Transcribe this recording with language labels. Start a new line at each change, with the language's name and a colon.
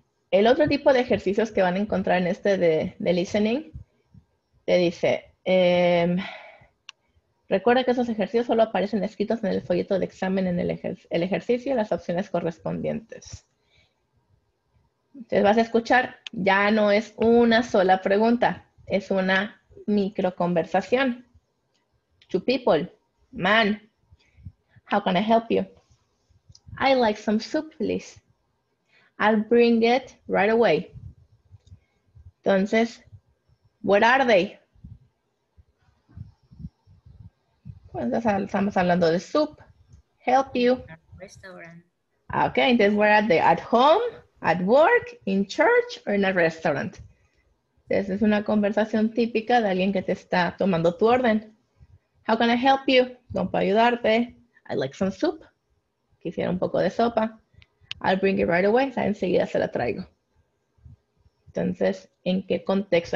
Spanish: El otro tipo de ejercicios que van a encontrar en este de listening, te dice, recuerda que esos ejercicios solo aparecen escritos en el folleto de examen en el ejercicio y las opciones correspondientes. Entonces vas a escuchar, ya no es una sola pregunta, es una micro conversación.
English: Two people, man, how can I help you? I like some soup, please. I'll bring it right away.
Spanish: Entonces,
English: what are they?
Spanish: Pues estamos hablando de soup.
English: Help you. Restaurant. Okay,
Spanish: entonces,
English: where are they? At home? At work, in church, or in a restaurant.
Spanish: Entonces, es una conversación típica de alguien que te está tomando tu orden.
English: How can I help you?
Spanish: ¿Cómo puedo ayudarte?
English: I like some soup.
Spanish: Quisiera un poco de sopa.
English: I'll bring it right away.
Spanish: O sea, enseguida se la traigo. Entonces, ¿en qué contexto?